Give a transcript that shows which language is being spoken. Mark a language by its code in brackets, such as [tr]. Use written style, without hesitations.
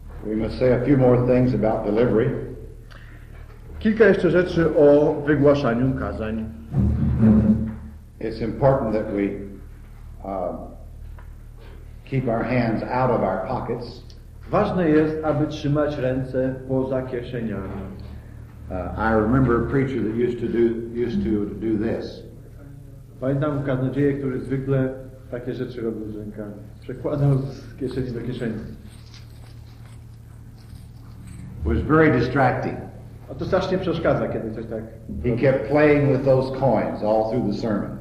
[en] We must say a few more things about delivery. [pl] Kilka jeszcze rzeczy o wygłaszaniu kazań. [en] It's important that we keep our hands out of our pockets. [pl] Ważne jest, aby trzymać ręce poza kieszeniami. [en] I remember a preacher that used to do this. [pl] Pamiętam kaznodzieję, który zwykle takie rzeczy robił z rękami. Przekładał z kieszeni do kieszeni. [en] Was very distracting. [pl] A to strasznie przeszkadza, kiedy coś tak. [en] He kept playing with those coins all through the sermon.